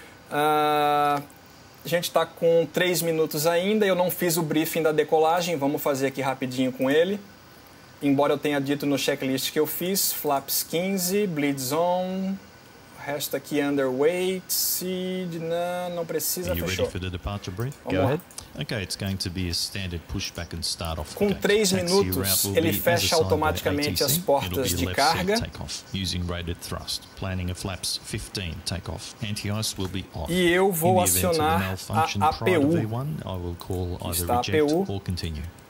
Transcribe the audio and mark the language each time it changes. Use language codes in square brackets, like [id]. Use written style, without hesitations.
[pt] A gente está com 3 minutos ainda, eu não fiz o briefing da decolagem, vamos fazer aqui rapidinho com ele. Embora eu tenha dito no checklist que eu fiz, flaps 15, bleeds on, resta aqui underweight, seed, não precisa, fechou. [en] Are you ready for the departure brief? Go ahead. Okay, it's going to be a standard pushback and start off. [pt] Com 3 minutos, ele fecha automaticamente as portas de carga. [en] Using rated thrust. Planning a flaps 15 takeoff. Anti-ice will be off. [pt] E eu vou acionar a APU. [en] I will call either reject or continue.